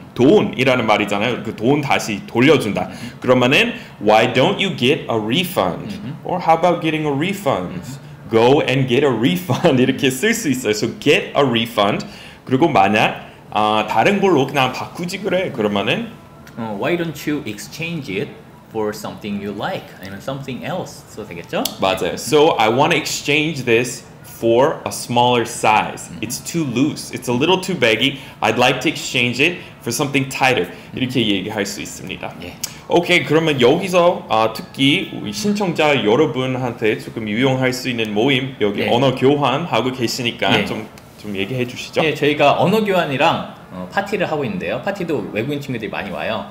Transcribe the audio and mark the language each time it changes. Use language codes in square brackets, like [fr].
[ko] 돈이라는 말이잖아요. 그 돈 다시 돌려준다. 그러면은 [en] why don't you get a refund? Or how about getting a refund? Go and get a refund. [ko] 이렇게 쓸 수 있어요. [en] So get a refund. [ko] 그리고 만약 다른 걸로 그냥 바꾸지 그래. 그러면은 [en] why don't you exchange it for something you like? I mean something else. [ko] 써도 되겠죠? 맞아요. [en] So I want to exchange this for a smaller size. It's too loose. It's a little too baggy. I'd like to exchange it for something tighter. [ko] 이렇게 얘기할 수 있습니다. 예. 오케이, 그러면 여기서 특히 신청자 여러분한테 조금 유용할 수 있는 모임 여기 예. 언어 교환 하고 계시니까 좀 예. 얘기해 주시죠. 예, 저희가 언어 교환이랑 파티를 하고 있는데요. 파티도 외국인 친구들이 많이 와요.